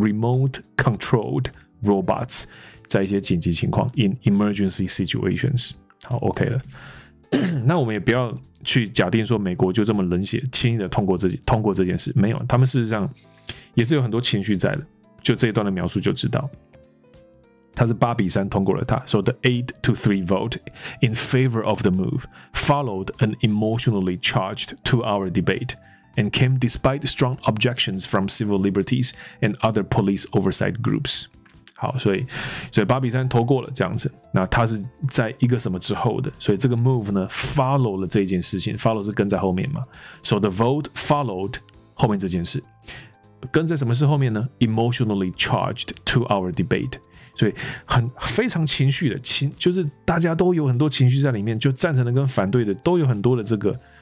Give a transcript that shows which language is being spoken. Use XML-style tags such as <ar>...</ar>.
<en>Remote controlled robots，</en> <zh>在一些紧急情况</zh> <en>，in emergency situations， 好 ，OK 了。</en> <zh>那我们也不要去假定说美国就这么冷血，轻易的通过这件事，没有，他们事实上也是有很多情绪在的。就这一段的描述就知道，他是8-3通过了他。</zh> <en>So the 8-3 vote in favor of the move followed an emotionally charged two-hour debate. And came despite strong objections from civil liberties and other police oversight groups.</en> <zh>好，所以8-3投过了这样子。那他是在一个什么之后的？所以这个 move 呢 ，follow 了这件事情。follow 是跟在后面嘛 ？</zh> <en>So the vote followed</en> <zh>后面这件事，跟在什么事后面呢 ？</zh> <en>Emotionally charged two-hour debate.</en> <zh>所以很非常情绪的情，就是大家都有很多情绪在里面，就赞成的跟反对的都有很多的这个。</zh>